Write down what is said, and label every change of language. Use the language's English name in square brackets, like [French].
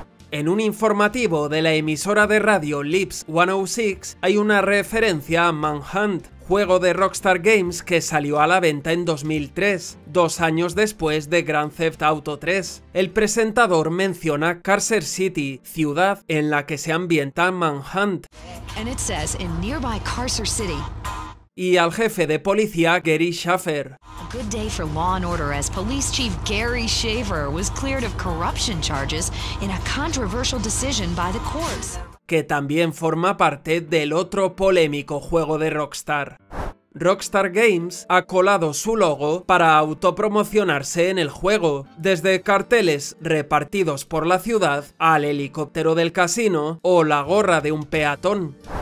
[Spanish] En un informativo de la emisora de radio Lips 106 hay una referencia a Manhunt, juego de Rockstar Games que salió a la venta en 2003, 2 años después de Grand Theft Auto 3. El presentador menciona Carcer City, ciudad en la que se ambienta Manhunt. [English] And it says in nearby Carcer City. [Spanish] Y al jefe de policía Gary Shaffer. [English] A good day for law and order as police chief Gary Shaffer was cleared of corruption charges in a controversial decision by the courts. [Spanish] Que también forma parte del otro polémico juego de Rockstar. Rockstar Games ha colado su logo para autopromocionarse en el juego, desde carteles repartidos por la ciudad al helicóptero del casino o la gorra de un peatón.